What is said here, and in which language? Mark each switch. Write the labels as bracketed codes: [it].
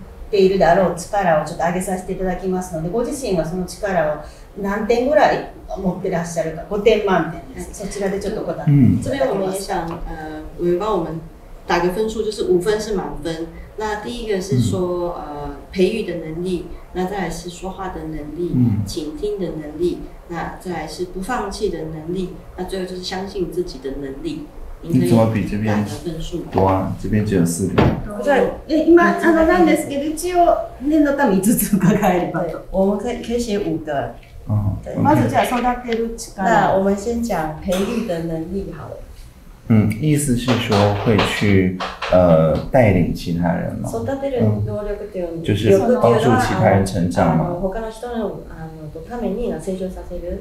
[ja] っているであろう力をちょっと上げさせていただきますので、ご自身はその力を何点ぐらい持ってらっしゃるか、5点満点です。そちらでちょっと答えていただきます。 [zh] 这边我们也想、帮我们打个分数、就是5分是满分。那第一个是说、培育的能力、那再来是说话的能力、倾听的能力、那再来是不放弃的能力、那最后就是相信自己的能力。你怎么比这边多啊？这边只有四个。 [ja] 对，今あのなんですけど一応念のため五つ伺えればと。 [zh] 我们可以先写五个。 [ja] まずじゃあ育てる力。 [zh] 那我们先讲培育的能力好了。意思是说会去带领其他人吗？ [ja] 育てる能力っていうの。 [zh] 就是帮助其他人成长吗？ [ja] 他の人のあのために成長させる。